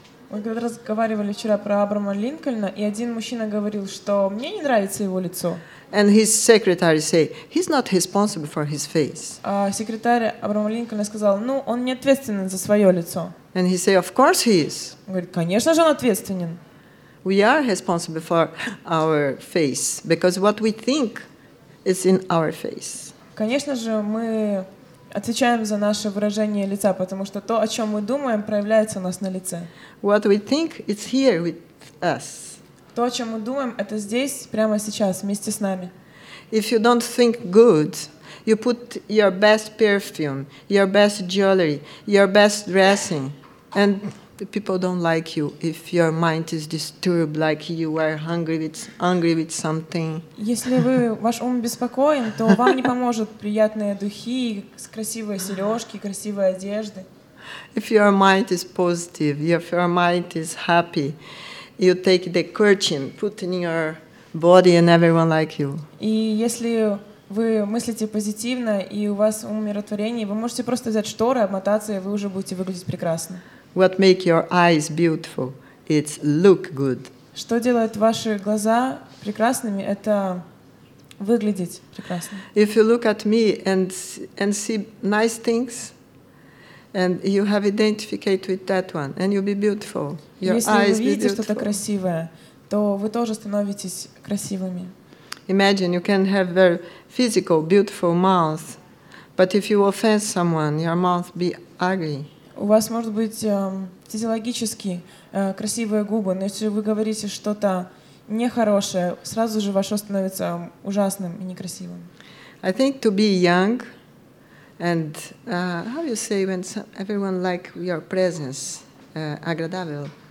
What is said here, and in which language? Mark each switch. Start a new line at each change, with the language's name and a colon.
Russian: Мы когда разговаривали вчера про Абрама Линкольна, и один мужчина говорил, что мне не нравится его лицо.
English: And his secretary say, he's not responsible for his face.
Russian: Секретарь Абрама Линкольна сказал, ну, он не ответственен за свое лицо.
English: And he say, of course he is.
Russian: Он говорит, конечно же он ответственен.
English: We are responsible for our face because what we think is in our face.
Russian: Конечно же, мы отвечаем за наше выражение лица, потому что то, о чем мы думаем, проявляется у нас на лице.
English: What we think is here with us.
Russian: То, о чем мы думаем, это здесь, прямо сейчас, вместе с нами.
English: If you don't think good, you put your best perfume, your best jewelry, your best dressing, and the people don't like you if your mind is disturbed, like you are hungry with something.
Russian: Если вы ваш ум беспокоен, то вам не поможут приятные духи, красивые сережки, красивые одежды.
English: If your mind is positive, if your mind is happy, you take the curtain, put in your body, and everyone like you.
Russian: И если вы мыслите позитивно и у вас ум умиротворение, вы можете просто взять шторы, обмотаться, и вы уже будете выглядеть прекрасно.
English: What make your eyes beautiful? It's look good.
Russian: Что делает ваши глаза прекрасными? Это выглядеть прекрасно.
English: If you look at me and see nice things, and you have identified with that one, and you'll be beautiful. Your
Russian: Если
English: eyes
Russian: вы видите
English: beautiful.
Russian: Что-то красивое, то вы тоже становитесь красивыми.
English: Imagine you can have very physical, beautiful mouth, but if you offend someone, your mouth be ugly.
Russian: У вас может быть физиологически красивые губы, но если вы говорите что-то нехорошее, сразу же ваше становится ужасным и некрасивым.
English: I think to be young and how you say when everyone like your presence agradable.